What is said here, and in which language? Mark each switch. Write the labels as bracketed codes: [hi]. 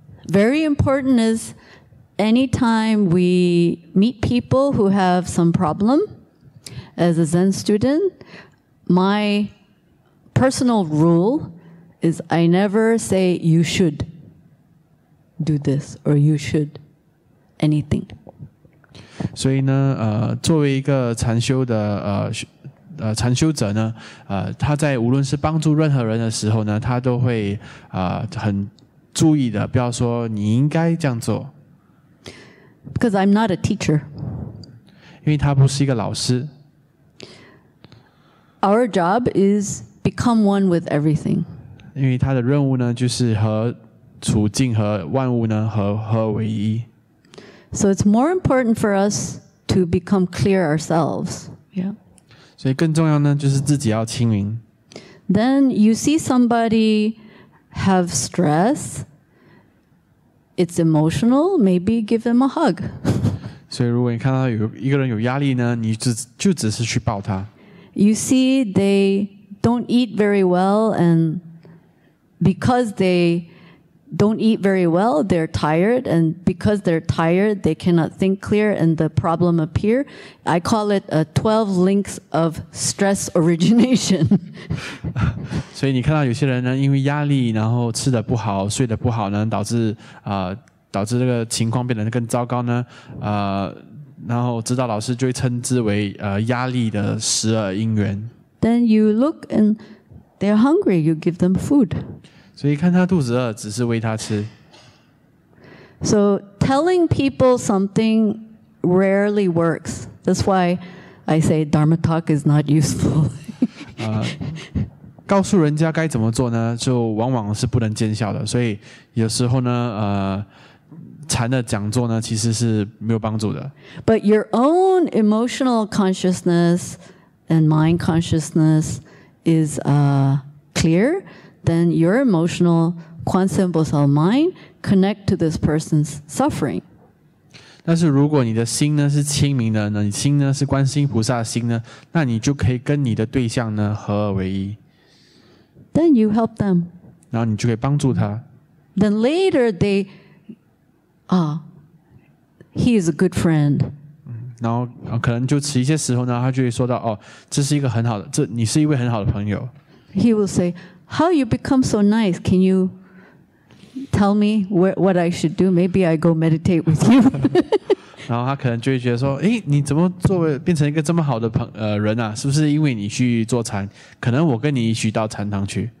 [en] Very important is anytime we meet people who have some problem as a Zen student, my personal rule is I never say you should do this or you should anything. [zh] 所以呢，作为一个禅修的禅修者呢，他在无论是帮助任何人的时候呢，他都会很注意的，不要说你应该这样做。 [en] Because I'm not a teacher. [zh] 因为他不是一个老师。 [en] Our job is become one with everything. [zh] 因为他的任务呢，就是和处境和万物呢合为一。 [en] So it's more important for us to become clear ourselves. Yeah. [zh] 所以更重要呢，就是自己要清明。 [en] Then you see somebody have stress, it's emotional. Maybe give them a hug. [zh] 所以如果你看到有一个人有压力呢，你就只是去抱他。 [en] You see they don't eat very well, and because they don't eat very well, they're tired, and because they're tired, they cannot think clear, and the problem appear. I call it a 12 links of stress origination. [zh] 所以你看到有些人呢，因为压力，然后吃得不好，睡得不好呢，导致这个情况变得更糟糕呢。然后指导老师就会称之为压力的十二因缘。 [en] Then you look and they're hungry. You give them food. [zh] 所以看他肚子饿，只是喂他吃。 [en] So telling people something rarely works. That's why I say Dharma talk is not useful. [zh] 告诉人家该怎么做呢，就往往是不能见效的。所以有时候呢，禅的讲座呢，其实是没有帮助的。 [en] But your own emotional consciousness and mind consciousness is clear. Then your emotional Kwan simple cell mind connect to this person's suffering. [zh] 但是如果你的心呢是清明的呢，你心呢是观世音菩萨的心呢，那你就可以跟你的对象呢合而为一。 [en] Then you help them. [zh] 然后你就可以帮助他。 [en] Then later they, he is a good friend. [zh] 然后可能就此一些时候呢，他就会说到哦，这是一个很好的，这你是一位很好的朋友。 [en] He will say.How you become so nice? Can you tell me what I should do. Maybe I go meditate with you. [zh] 然后他可能就会觉得说，诶，你怎么作为变成一个这么好的人啊？是不是因为你去做禅？可能我跟你一起到禅堂去。